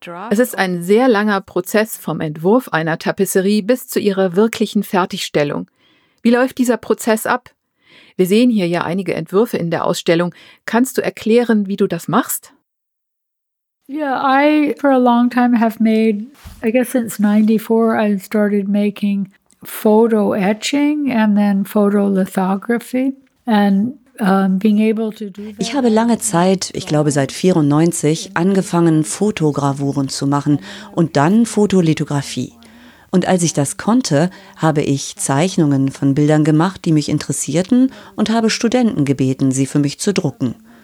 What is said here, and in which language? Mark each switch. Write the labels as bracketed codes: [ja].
[de] Es ist ein sehr langer Prozess vom Entwurf einer Tapisserie bis zu ihrer wirklichen Fertigstellung. Wie läuft dieser Prozess ab? Wir sehen hier ja einige Entwürfe in der Ausstellung. Kannst du erklären, wie du das machst? [en] Yeah, I for a long time have made, I guess since 94 I started making photo etching and then photo lithography and being able to do that. [de] Ich habe lange Zeit, ich glaube seit 94, angefangen Fotogravuren zu machen und dann Fotolithografie. Und als ich das konnte, habe ich Zeichnungen von Bildern gemacht, die mich interessierten und habe Studenten gebeten, sie für mich zu drucken.